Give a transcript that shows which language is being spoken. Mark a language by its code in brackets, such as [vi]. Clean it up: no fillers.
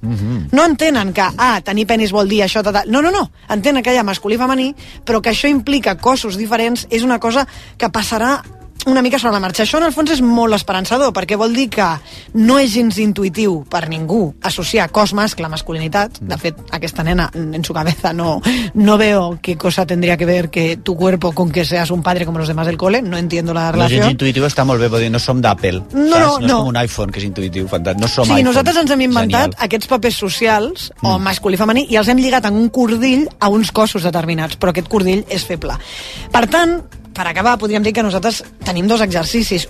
[ca] No entenen que tenir penis vol dir això, no, entenen que hi ha masculí i femení, però que això implica cossos diferents és una cosa que passarà una mica sobre la marxa. Això en el fons és molt esperançador, perquè vol dir que no és gens intuïtiu per ningú associar cos mascle a masculinitat. De fet, aquesta nena [es] en su cabeza no veo qué cosa tendría que ver que tu cuerpo con que seas un padre como los demás del cole. No entiendo la relació. [ca] No és gens intuïtiu, està molt bé, vol dir, no som d'Apple. No. És com un iPhone, que és intuïtiu, fantàstic. No som iPhone. Sí, nosaltres ens hem inventat aquests papers socials, o masculí i femení, i els hem lligat en un cordill a uns cossos determinats, però aquest cordill és feble. Per tant, per acabar, podríem dir que nosaltres tenim dos exercicis.